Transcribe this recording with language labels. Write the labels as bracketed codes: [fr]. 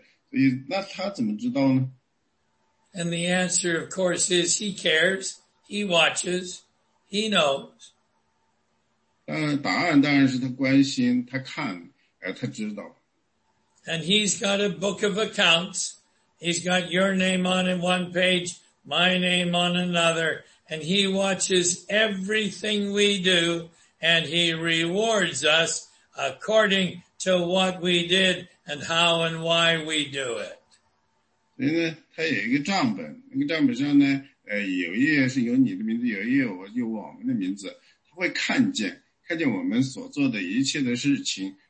[zh] 所以呢，可能不会把那个钱拿起来摇一下，然后再放进去。所以那他怎么知道呢？ [en] And the answer, of course, is he cares. He watches. He knows. [zh] 当然，答案当然是他关心，他看。 [en] And he's got a book of accounts. He's got your name on in one page, my name on another, and he watches everything we do, and he rewards us according to what we did and how and why we do it. [zh] 因为他有一个账本，那个账本上呢，有一页是有你的名字，有一页我有我们的名字，他会看见，看见我们所做的一切的事情。